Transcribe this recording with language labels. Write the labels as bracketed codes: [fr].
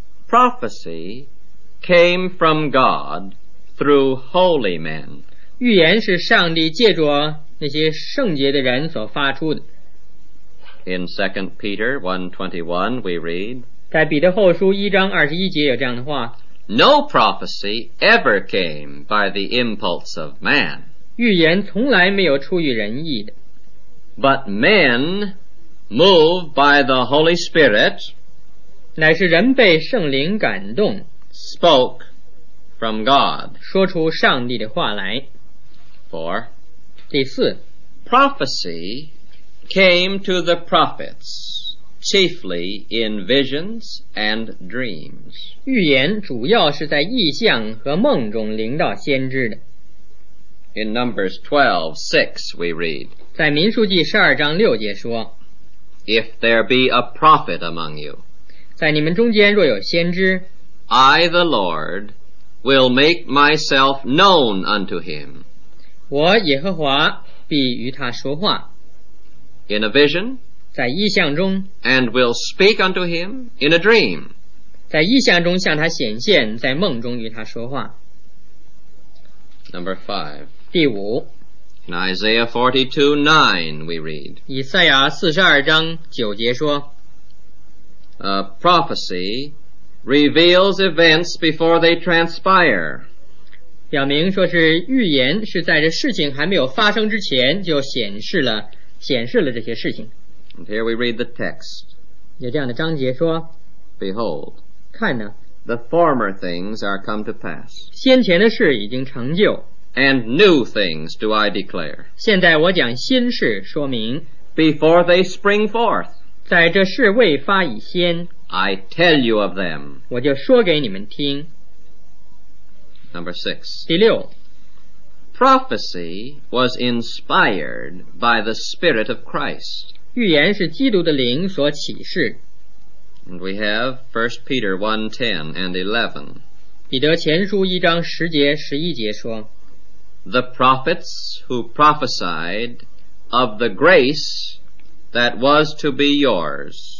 [en] Prophecy came from God through holy men. [zh] 预言是上帝借着那些圣洁的人所发出的。 [en] In 2 Peter 1:21 we read, [zh] 在彼得后书一章二十一节有这样的话， [en] No prophecy ever came by the impulse of man. [zh] 预言从来没有出于人意的。 [en] But men moved by the Holy Spirit, [zh] 乃是人被圣灵感动， [en] spoke from God, [zh] 说出上帝的话来。 [en] 4. [zh] 第四， [en] prophecy came to the prophets chiefly in visions and dreams. [zh] 预言主要是在异象和梦中临到先知的。 [en] In Numbers 12:6 we read, [zh] 在民数记十二章六节说， [en] If there be a prophet among you, [zh] 在你们中间若有先知， [en] I the Lord will make myself known unto him. [zh] 我耶和华必与他说话。 [en] In a vision, [zh] 在异象中， [en] and will speak unto him in a dream, [zh] 在异象中向他显现，在梦中与他说话。 [en] Number 5, [zh] 第五， [en] In Isaiah 42:9 we read, [zh] 以赛亚四十二章九节说， [en] A prophecy reveals events before they transpire, [zh] 表明说是预言是在这事情还没有发生之前就显示了这些事情。 [en] And here we read the text. [zh] 有这样的章节说， [en] Behold, [zh] 看呢， [en] the former things are come to pass. [zh] 先前的事已经成就。 [en] And new things do I declare. [zh] 现在我讲新事说明。 [en] Before they spring forth, [zh] 在这事未发以先， [en] I tell you of them. [zh] 我就说给你们听。 [en] Number 6. [zh] 第六。 [en] Prophecy was inspired by the Spirit of Christ. [zh] 预言是基督的灵所启示。 [en] And we have 1 Peter 1:10 and 11. [zh] 彼得前书一章十节十一节说， [en] The prophets who prophesied of the grace that was to be yours.